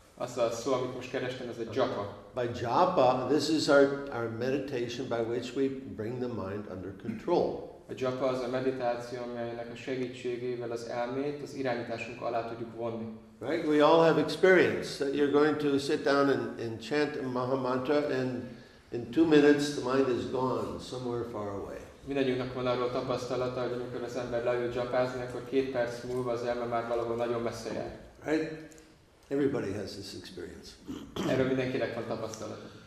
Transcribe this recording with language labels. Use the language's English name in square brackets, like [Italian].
[Hungarian] Az a szó, amit most kerestem, ez a japa. [English] By japa, this is our meditation by which we bring the mind under control. [Hungarian] A japa az a meditáció, amelynek a segítségével az elmét, az irányításunk alá tudjuk vonni. [English] Right? We all have experience that you're going to sit down and chant a maha mantra and in 2 minutes the mind is gone somewhere far away. [Hungarian] Mindegyünknek van arról tapasztalata, hogy amikor az ember leül japázni, akkor 2 perc múlva az elme már valahol nagyon messze jár. [English] Right? Everybody has this experience. [Hungarian] Erről mindenkinek van tapasztalata.